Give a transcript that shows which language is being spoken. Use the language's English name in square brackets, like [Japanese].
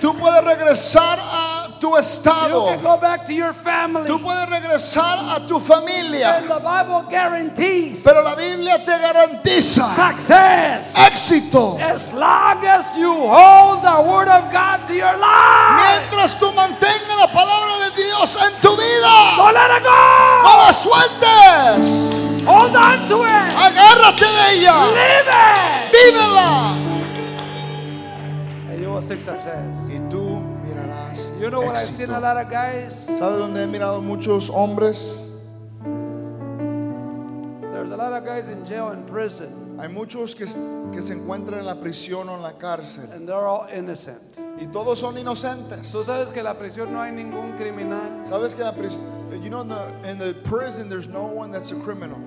[Spanish] Tú puedes regresar a tu estado. [English] You can go back to your family. [Spanish] Tú puedes regresar a tu familia. [English] And the Bible guarantees. [Spanish] Pero la Biblia te garantiza. [English] Success. [Spanish] Éxito. [English] As long as you hold the word of God to your life. [Spanish] Mientras tú mantengas la palabra de Dios en tu vida. [English] Don't let it go. [Spanish] No la sueltes. [English] Hold on to it. [Spanish] Agárrate de ella. [English] Live it. [Spanish] Vívela. [English] And you will see success. [Spanish] Y tú. [English] You know what I've seen a lot of guys. [Spanish] ¿Sabes dónde he mirado muchos hombres? [English] There's a lot of guys in jail and prison. [Spanish] Hay muchos que se encuentran en la prisión o en la cárcel. [English] And they're all innocent. [Spanish] Y todos son inocentes. ¿Tú sabes que en la prisión no hay ningún criminal? ¿Sabes que la prisión? [English] You know in the prison there's no one that's a criminal.